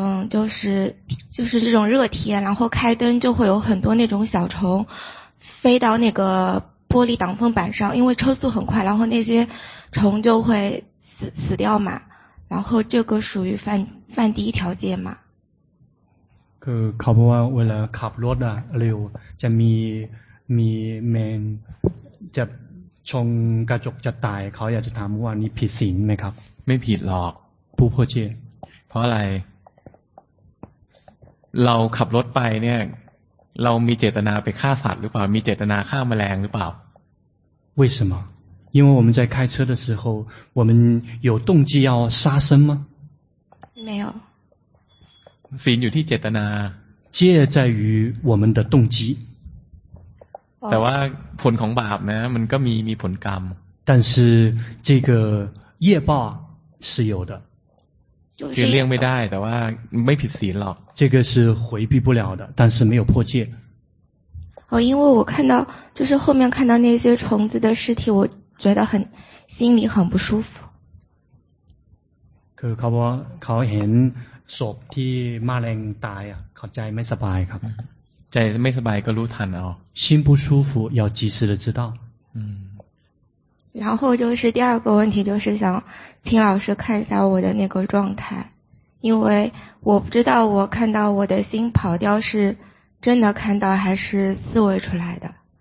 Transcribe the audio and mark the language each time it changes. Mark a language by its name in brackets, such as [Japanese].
[Chinese] 就是这种热天，然后开灯就会有很多那种小虫飞到那个玻璃挡风板上，因为车速很快，然后那些虫就会死掉嘛，然后这个属于犯第一条戒嘛。 [Thai] คือเขาบอกว่าเวลาขับรถอ่ะเร็วจะมีแมงจะชงกระจกจะตายเขาอยากจะถามว่านี่ผิดศีลไหมครับ ไม่ผิดหรอก ผู้โพเช เพราะอะไรเราขับรถไปเนี่ยเรามีเจตนาไปฆ่าสัตว์หรือเปล่ามีเจตนาฆ่าแมลงหรือเปล่า [Chinese] 为什么因为我们在开车的时候我们有动机要杀生吗没有 [Thai] ศีลอยู่ที่เจตนา [Chinese] 戒在于我们的动机 [Thai] แต่ว่าผลของบาปนะมันก็มีผลกรรม [Chinese] 但是这个业报是有的 [Thai] คือเลี่ยงไม่ได้แต่ว่าไม่ผิดศีลหรอก [Chinese] 这个是回避不了的但是没有破戒哦因为我看到就是后面看到那些虫子的尸体我觉得很心里很不舒服 [Thai] คือเขาเห็นศพที่แมลงตายอ่ะเขาใจไม่สบายครับ ใจไม่สบายก็รู้ทันเอา [Chinese] 心不舒服要及时的知道然后就是第二个问题就是想请老师看一下我的那个状态因为我不知道我看到我的心跑掉是真的看到还是思维出来的